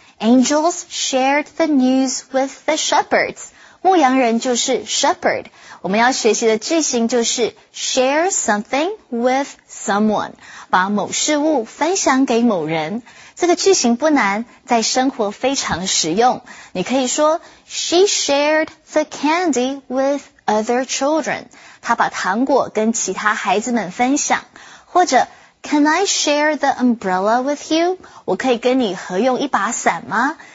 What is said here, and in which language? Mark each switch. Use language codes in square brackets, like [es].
[en] Angels shared the news with the shepherds. [zh] 牧羊人就是 shepherd. 我们要学习的句型就是 [en] share something with someone. [zh] 把某事物分享给某人。这个句型不难，在生活非常实用。你可以说 [en] she shared the candy with other children. [zh] 她把糖果跟其他孩子们分享。或者 [en] Can I share the umbrella with you? [zh] 我可以跟你合用一把伞吗？